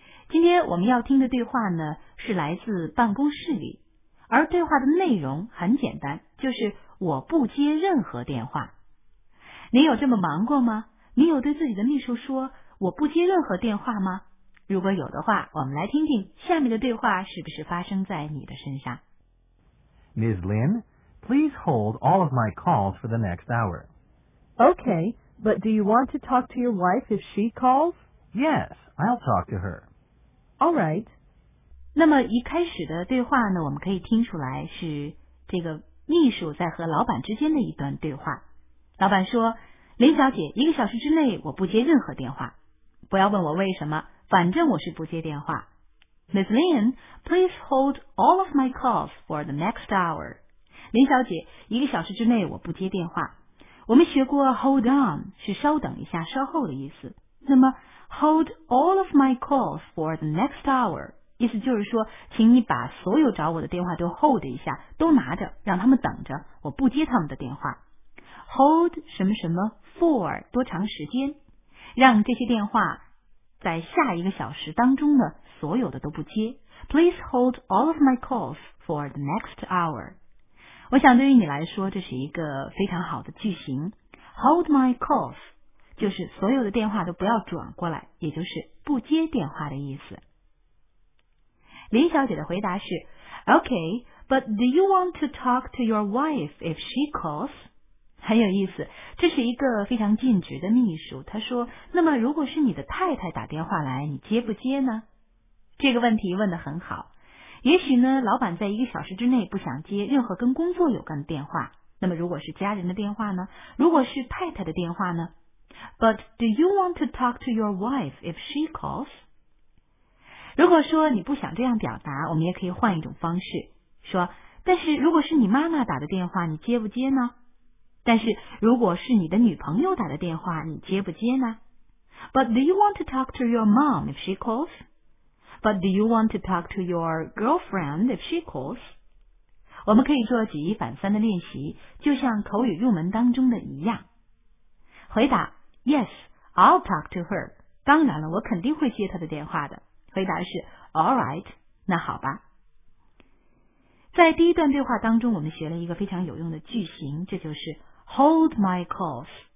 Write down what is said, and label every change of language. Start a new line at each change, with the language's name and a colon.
Chinese: 今天我们要听的对话呢，是来自办公室里，而对话的内容很简单，就是我不接任何电话。你有这么忙过吗？你有对自己的秘书说我不接任何电话吗？如果有的话，我们来听听下面的对话是不是发生在你的身上。
English: Ms. Lin, please hold all of my calls for the next hour. Okay, but do you want to talk to your wife if she calls? Yes, I'll talk to her. All right.
Chinese: 那么一开始的对话呢，我们可以听出来是这个秘书在和老板之间的一段对话。老板说，林小姐，一个小时之内我不接任何电话。不要问我为什么，反正我是不接电话。
English: Ms. Lin, please hold all of my calls for the next hour.
Chinese: 林小姐，一个小时之内我不接电话。我们学过 hold on 是稍等一下、稍后的意思。那么
English: hold all of my calls for the next hour
Chinese: 意思就是说，请你把所有找我的电话都 hold 一下，都拿着，让他们等着，我不接他们的电话。 Hold 什么什么 for 多长时间，让这些电话在下一个小时当中呢，所有的都不接。
English: Please hold all of my calls for the next hour.
Chinese: 我想对于你来说，这是一个非常好的句型。
English: Hold my calls,
Chinese: 就是所有的电话都不要转过来，也就是不接电话的意思。林小姐的回答是
English: ,Okay, but do you want to talk to your wife if she calls?
Chinese: 很有意思，这是一个非常尽职的秘书。他说，那么如果是你的太太打电话来，你接不接呢？这个问题问得很好。也许呢，老板在一个小时之内不想接任何跟工作有关的电话。那么如果是家人的电话呢？如果是太太的电话呢？
English: But do you want to talk to your wife if she calls?
Chinese: 如果说你不想这样表达，我们也可以换一种方式，说，但是如果是你妈妈打的电话，你接不接呢？但是如果是你的女朋友打的电话，你接不接呢？
English: But do you want to talk to your mom if she calls? But do you want to talk to your girlfriend if she calls?
Chinese: 我们可以做举一反三的练习，就像口语入门当中的一样。回答
English: Yes, I'll talk to her.
Chinese: 当然了，我肯定会接她的电话的。回答是
English: All right,
Chinese: 那好吧。在第一段对话当中，我们学了一个非常有用的句型，这就是
English: Hold my calls.